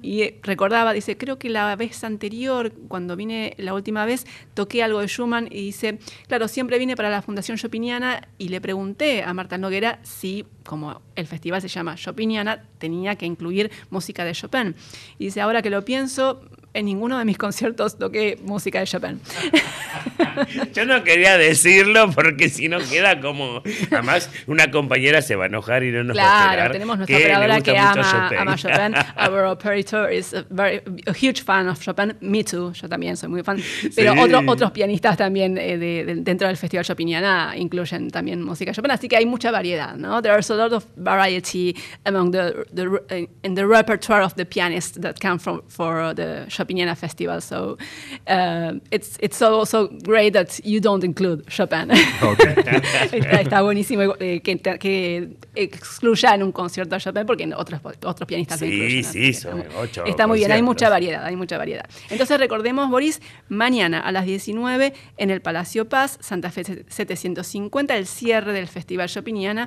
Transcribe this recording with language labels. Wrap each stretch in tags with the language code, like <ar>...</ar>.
<es>Y recordaba, dice, creo que la vez anterior, cuando vine la última vez, toqué algo de Schumann y dice, claro, siempre vine para la Fundación Chopiniana y le pregunté a Marta Noguera si, como el festival se llama Chopiniana, tenía que incluir música de Chopin. Y dice, ahora que lo pienso, en ninguno de mis conciertos toqué música de Chopin. Yo no quería decirlo porque si no queda como... Además, una compañera se va a enojar y no nos, claro, va a esperar. Claro, tenemos nuestra operadora que ama Chopin.</es> <en>Our operator is a huge fan of Chopin. Me too,</en> <es>yo también soy muy fan. Pero sí. otros pianistas también dentro del Festival Chopiniana incluyen también música de Chopin. Así que hay mucha variedad, ¿no?</es> <en>There is a lot of variety among the in the repertoire of the pianists that come from for the Chopiniana Festival. So it's also great that you don't include Chopin. Okay.</en> <es>Está buenísimo que excluya en un concierto a Chopin, porque otros pianistas sí, lo incluyen. Sí, sí, son ocho. Está muy bien, hay mucha variedad. Entonces recordemos, Boris, mañana a las 19 en el Palacio Paz, Santa Fe 750, el cierre del Festival Chopiniana.</es>